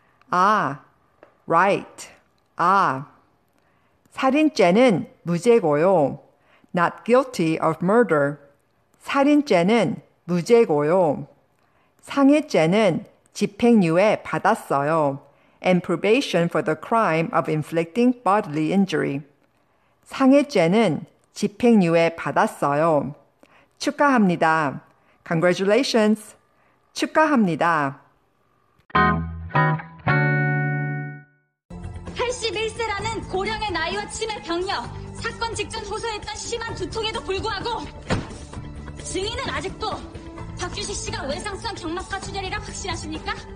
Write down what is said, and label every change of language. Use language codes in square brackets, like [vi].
[en] 아, right, 아. [ko] 살인죄는 무죄고요. [en] Not guilty of murder. [ko] 살인죄는 무죄고요. 상해죄는 집행유예 받았어요. [en] And probation for the crime of inflicting bodily injury. [ko] 상해죄는 집행유예 받았어요. 축하합니다. [en] Congratulations. [ko] 축하합니다. 81세라는 고령의 나이와 치매 병력, 사건 직전 호소했던 심한 두통에도 불구하고 증인은 아직도 박규식 씨가 외상성 경막과 출혈이라 확신하십니까?